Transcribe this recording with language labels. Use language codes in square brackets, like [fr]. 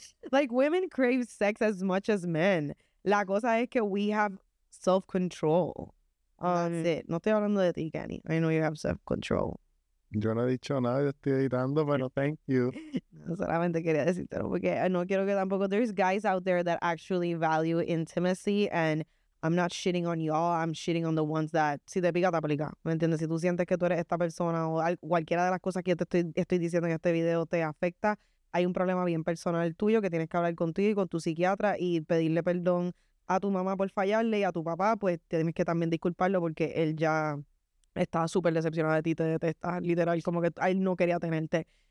[en] Like, women crave sex as much as men. [es] La cosa es que [en] we have self-control. [es] No estoy hablando de ti, Kenny. [en] I know you have self-control. [es] Yo no he dicho nada, yo estoy editando, pero [en] thank you. [es] No, solamente quería decírtelo porque no quiero que tampoco... [en] There's guys out there that actually value intimacy and I'm not shitting on y'all, I'm shitting on the ones that... [es] Si te pica, te aplica, ¿me entiendes? Si tú sientes que tú eres esta persona o cualquiera de las cosas que yo te estoy diciendo en este video te afecta, hay un problema bien personal tuyo que tienes que hablar contigo y con tu psiquiatra y pedirle perdón a tu mamá por fallarle y a tu papá, pues tienes que también disculparlo porque él ya estaba súper decepcionado de ti, te detesta, literal, como que él no quería tenerte.